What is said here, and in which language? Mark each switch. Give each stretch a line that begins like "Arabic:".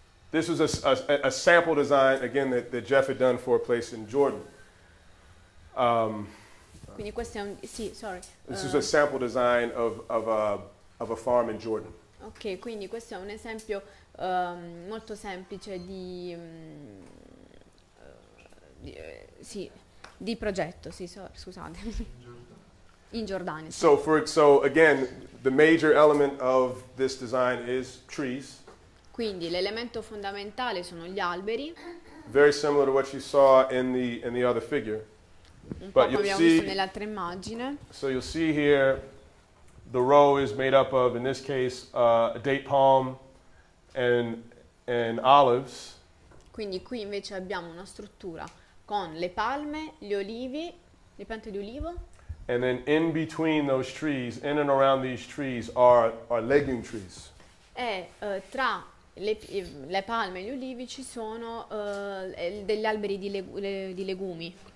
English: This was a sample design again that Jeff had done for a place in Jordan.
Italian: Quindi questo è un
English: This is a sample design of a farm in Jordan.
Italian: Ok, quindi questo è un esempio molto semplice di progetto, scusate. In Giordania.
English: So again, the major element of this design is trees.
Italian: Quindi l'elemento fondamentale sono gli alberi.
English: Very similar to what you saw in the other figure.
Italian: Un po' come abbiamo visto nell'altra immagine.
English: So you'll see here the row is made up of, in this case, a date palm and olives.
Italian: Quindi qui invece abbiamo una struttura con le palme, gli olivi, le piante di olivo.
English: And then in between those trees, in and around these trees, are legume trees.
Italian: E tra le palme e gli olivi ci sono degli alberi di legumi.